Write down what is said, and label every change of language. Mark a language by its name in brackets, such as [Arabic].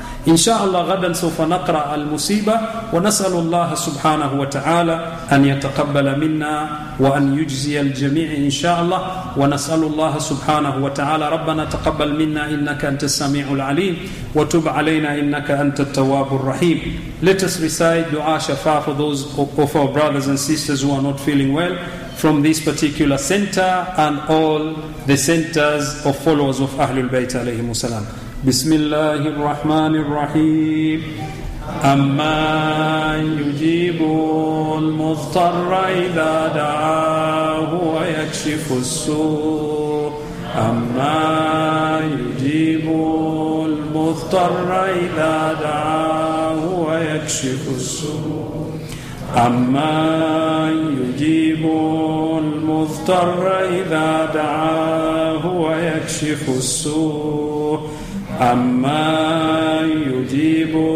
[Arabic] إن شاء الله غدا سوف نقرأ المصيبة ونسأل الله سبحانه وتعالى أن يتقبل منا وأن يجزي الجميع إن شاء الله. ونسأل الله سبحانه وتعالى: ربنا تقبل منا إنك أنت السميع العليم، وتب علينا إنك أنت التواب الرحيم. [English] Let us recite دعاء شفاء for those of our brothers and sisters who are not feeling well from this particular center and all the centers of followers of Ahlul Bayt عليهم السلام. [Arabic] بسم الله الرحمن الرحيم. أمن يجيب المضطر إذا دعاه ويكشف السوء، أمن يجيب المضطر إذا دعاه ويكشف السوء، أمن يجيب المضطر إذا دعاه ويكشف السوء، أمن يجيب